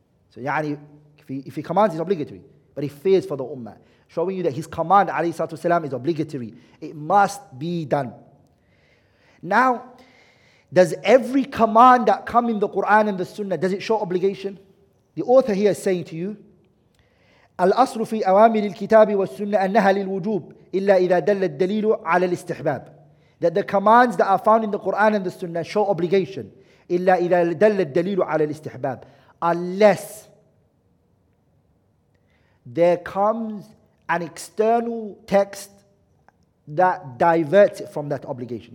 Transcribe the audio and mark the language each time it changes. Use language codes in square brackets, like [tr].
[en] So yani, if he commands, it's obligatory. But he fears for the ummah, showing you that his command, alayhi salatu wasalam, is obligatory. It must be done. Now, does every command that come in the Quran and the sunnah, does it show obligation? The author here is saying to you, [ar] الأصل في أوامر الكتاب والسنة أنها للوجوب إلا إذا دل الدليل على الاستحباب. [en] That the commands that are found in the Quran and the Sunnah show obligation, [ar] illa idha dalla ad-dalilu ala al-istihbab, [en] unless there comes an external text that diverts it from that obligation.